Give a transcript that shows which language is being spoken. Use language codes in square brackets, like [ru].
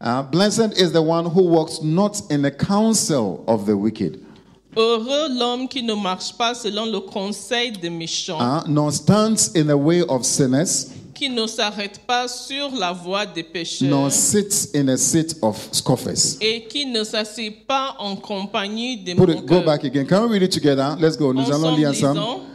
[en] Blessed is the one who walks not in the counsel of the wicked. [fr] Heureux l'homme qui ne marche pas selon le conseil des méchants. [en] Nor stands in the way of sinners. [fr] Qui ne s'arrête pas sur la voie des pécheurs. [en] Nor sits in a seat of scoffers. [fr] Et qui ne s'assied pas en compagnie des [en] moqueurs. Go back again. Can we read it together? Let's go. [fr] Nous allons lire ensemble.